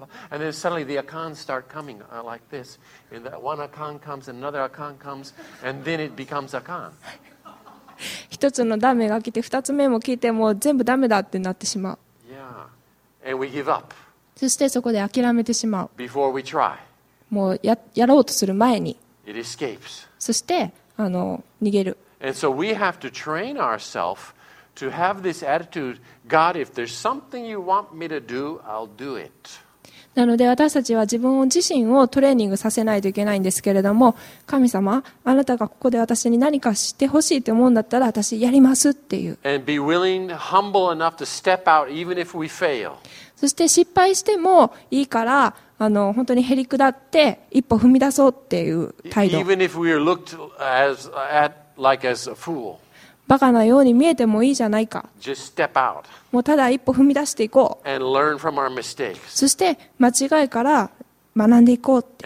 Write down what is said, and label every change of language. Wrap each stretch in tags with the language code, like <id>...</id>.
<en>And then suddenly the Akan start coming like this. And that one Akan comes, another Akan comes, and then it becomes Akan.</en> <ja>一つのダメが来て、二つ目も来て、もう全部ダメだってなってしまう。</ja> <en>Yeah. And we give up.</en> <ja>そしてそこで諦めてしまう。</ja> <en>Before we try.</en> <ja>もう やろうとする前に。</ja> <en>It escapes.</en> <ja>そして逃げる。</ja> <en>And so we have to train ourselves to have this attitude, God, if there's something you want me to do, I'll do it.</en> <ja>なので私たちは自身をトレーニングさせないといけないんですけれども、神様、あなたがここで私に何かしてほしいと思うんだったら私やりますっていう。</ja> <en>And be willing, humble enough to step out even if we fail.</en> <ja>そして失敗してもいいから、本当にへりくだって一歩踏み出そうっていう態度。</ja> <en>Even if we are looked as, at, like as a fool.</en> <ja>バカなように見えてもいいじゃないか。もうただ一歩踏み出していこう。そして間違いから学んでいこうって。</ja>